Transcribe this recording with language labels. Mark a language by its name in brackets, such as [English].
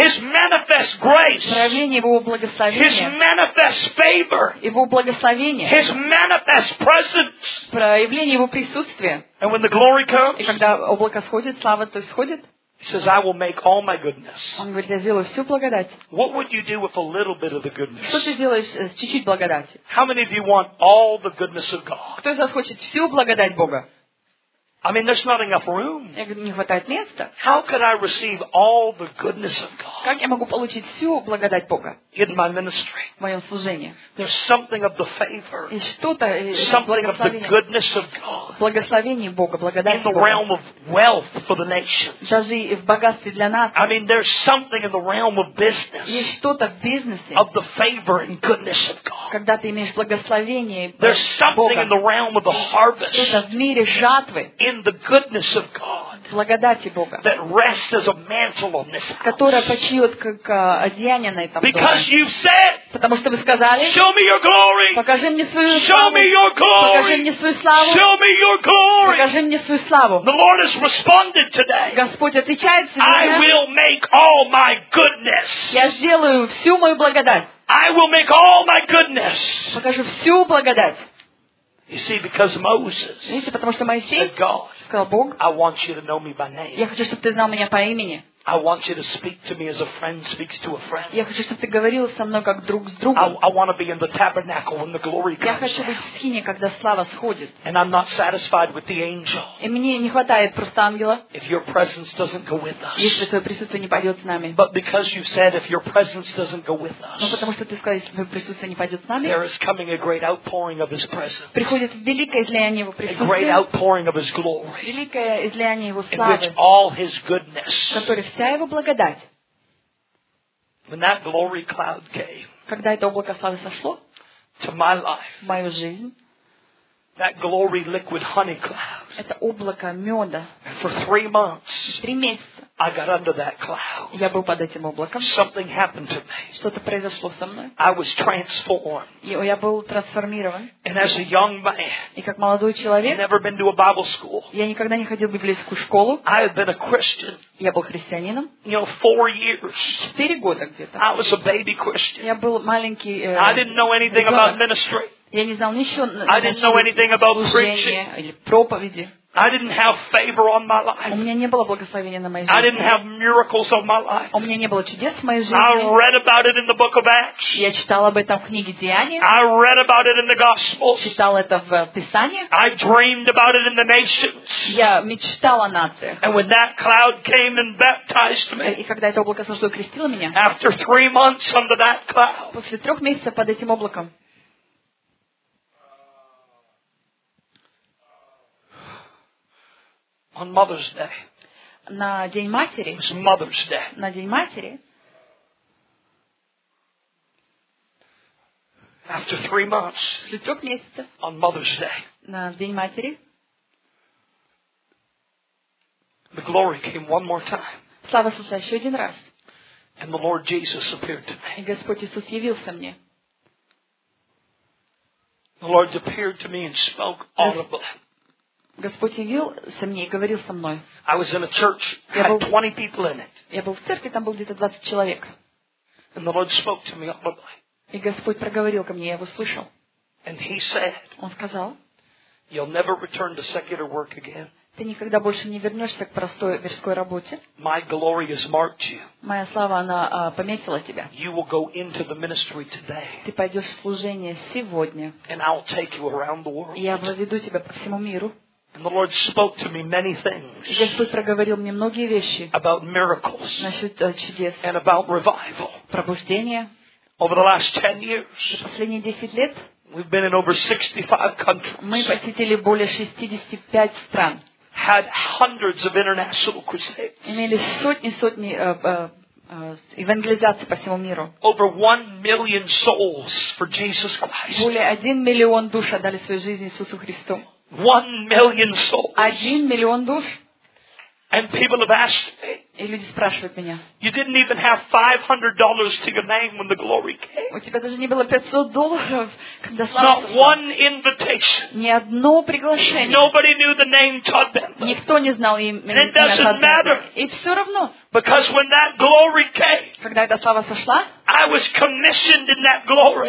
[English] His manifest grace. [Russian] Проявление Его благословения. [English] His manifest favor. [Russian] Его благословение. [English] His manifest presence. [Russian] Проявление Его присутствия. [English] And when the glory comes, [Russian] и когда облако сходит, слава то сходит. [English] He says, "I will make all my goodness." [Russian] Он говорит, я сделаю всю благодать. [English] What would you do with a little bit of the goodness? [Russian] Что ты сделаешь с чуть-чуть благодати? [English] How many of you want all the goodness of God? [Russian] Кто из вас хочет всю благодать Бога? [English] I mean, there's not enough room. [Russian] Я говорю, не хватает места. [English] How could I receive all the goodness of God? [Russian] Как я могу получить всю благодать Бога? [English] In my ministry. [Russian] В моем служении. [English] There's something of the favor. [Russian] И что-то. [English] Something of the goodness of God. [Russian] Благословение Бога, благодать Бога. [English] In the realm of wealth for the nation. [Russian] Даже и в богатстве для нас. [English] I mean, there's something in the realm of business. [Russian] Есть что-то в бизнесе. [English] Of the favor and goodness of God. [Russian] Когда ты имеешь благословение Бога. [English] There's something in the realm of the harvest. [Russian] Что-то в мире жатвы. [English] In the goodness of God, [Russian] благодати Бога, [English] that rests as a mantle on this house, [Russian] которая почиет как одеяние на этом доме. [English] Because you've said, [Russian] потому что вы сказали, [English] show me your glory, [Russian] покажи мне свою славу, [English] show me your glory, [Russian] покажи мне свою славу, [English] show me your glory, [Russian] покажи мне свою славу. [English] The Lord has responded today. [Russian] Господь отвечает сегодня. [English] I will make all my goodness. [Russian] Я сделаю всю мою благодать. [English] I will make all my goodness. [Russian] Покажу всю благодать. [English] You see, because Moses said, God, I want you to know me by name. [Russian] Я хочу, чтобы ты знал меня по имени. [English] I want you to speak to me as a friend speaks to a friend. [Russian] Я хочу, чтобы ты говорил со мной как друг с другом. [English] I want to be in the tabernacle when the glory comes. [Russian] Я хочу быть в скине, когда слава сходит. [English] And I'm not satisfied with the angel. [Russian] И мне не хватает просто ангела. [English] If your presence doesn't go with us. [Russian] Если твое присутствие не пойдет с нами. [English] But because you said if your presence doesn't go with us. [Russian] Но потому что ты сказал, если твое присутствие не пойдет с нами. [English] There is coming a great outpouring of His presence. [Russian] Приходит великое излияние Его присутствия. [English] A great outpouring of His glory. [Russian] Великое излияние Его славы. [English] In which all His goodness. [Russian] Вся Его благодать. [English] When that glory cloud came, [Russian] когда это облако славы сошло [English] to my life, [Russian] в мою жизнь, [English] that glory liquid honey cloud, [Russian] это облако меда. [English] And for 3 months, [Russian] 3 месяца [English] I got under that cloud. [Russian] Я был под этим облаком. [English] Something happened to me. [Russian] Что-то произошло со мной. [English] I was transformed. [Russian] Я был трансформирован. [English] And as a young man, [Russian] и как молодой человек, [English] never been to a Bible school. [Russian] Я никогда не ходил в библейскую школу. [English] I had been a Christian. [Russian] Я был христианином. [English] You know, 4 years. [Russian] 4 года где-то. [English] I was a baby Christian. [Russian] Я был маленький. [English] I didn't know anything [Russian] ребенок. [English] About ministry. [Russian] Я не знал ничего. [English] I didn't know anything about preaching. [Russian] Или проповеди. [English] I didn't have favor on my life. [Russian] У меня не было благословения на моей жизни. [English] I didn't have miracles on my life. [Russian] У меня не было чудес в моей жизни. [English] I read about it in the book of Acts. [Russian] Я читал об этом в книге Деяний. [English] I read about it in the Gospels. [Russian] Читал это в Писании. [English] I dreamed about it in the nations. [Russian] Я мечтал о нациях. [English] And when that cloud came and baptized me. [Russian] И когда это облако сошло и крестило меня. [English] After 3 months under that cloud. [Russian] После 3 месяцев под этим облаком. [English] On Mother's Day. [Russian] На День матери. [English] It was Mother's Day. [Russian] На День матери. [English] After 3 months. [Russian] После 3 месяцев. [English] On Mother's Day. [Russian] На День матери. [English] The glory came one more time. [Russian] Слава сошла еще один раз. [English] And the Lord Jesus appeared to me. [Russian] И Господь Иисус явился мне. [English] The Lord appeared to me and spoke audibly. [Russian] Господь явился мне и говорил со мной. [English] I was in a church, had 20 people in it. [Russian] Я был в церкви, там было где-то 20 человек. [English] And the Lord spoke to me audibly. [Russian] И Господь проговорил ко мне, я его слышал. [English] And he said, [Russian] Он сказал, [English] You'll never return to secular work again. [Russian] Ты никогда больше не вернешься к простой мирской работе. [English] My glory has marked you. [Russian] Моя слава, она пометила тебя. [English] You will go into the ministry today. [Russian] Ты пойдешь в служение сегодня. [English] And I'll take you around the world. [Russian] Я проведу тебя по всему миру. [English] And the Lord spoke to me many things. [Russian] Господь проговорил мне многие вещи. [English] About miracles. [Russian] Насчет чудес. [English] And about revival. [Russian] Пробуждение. [English] Over the last 10 years. [Russian] За последние 10 лет. [English] We've been in over 65 countries. [Russian] Мы посетили более 65 стран. [English] Had hundreds of international crusades. [Russian] Имели сотни евангелизации по всему миру. [English] Over 1 million souls for Jesus Christ. [Russian] Более 1 миллион душ отдали свою жизнь Иисусу Христу. [English] 1 million souls. [Russian] 1 миллион душ. [English] And people have asked me. [Russian] И люди спрашивают меня. [English] You didn't even have $500 to your name when the glory came. [Russian] У тебя даже не было $500, когда слава. [English] Not one invitation. [Russian] Ни одно приглашение. [English] Nobody knew the name Todd Bentley. [Russian] Никто не знал имя. [English] It doesn't matter. [Russian] И все равно. [English] Because when that glory came. [Russian] Когда эта слава сошла. [English] I was commissioned in that glory.